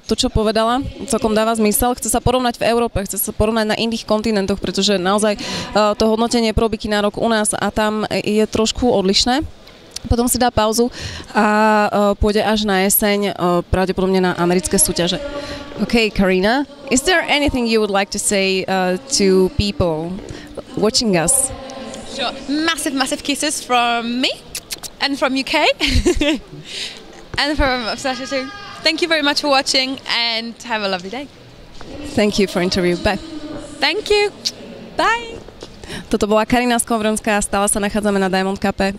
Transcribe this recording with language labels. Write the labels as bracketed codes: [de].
[sk] To, čo povedala, celkom dáva zmysel. Chce sa porovnať v Európe, chce sa porovnať na iných kontinentoch, pretože naozaj to hodnotenie pro bikinárok u nás a tam je trošku odlišné. Potom si dá pauzu a pôjde až na jeseň pravdepodobne na americké súťaže. [en] Okay, Karina, is there anything you would like to say to people watching us? Sure. Massive kisses from me and from UK and from Sasha too. Thank you very much for watching and have a lovely day. Thank you for interview. Bye. Thank you. Bye. [sk] Toto bola Karina Skovronská, stále sa nachádzame na Diamond Cupe.